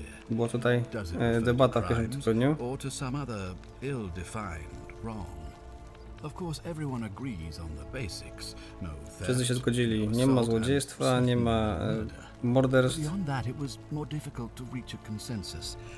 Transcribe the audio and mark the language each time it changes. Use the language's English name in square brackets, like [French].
[Polish] Była tutaj debata w pierwszym tygodniu. [English] Or to some other ill-defined wrong. Of course everyone agrees on the basics. [Polish] No, wszyscy się zgodzili. Nie ma złodziejstwa, nie ma morderstw. [English] Beyond that, it was more difficult to reach a consensus.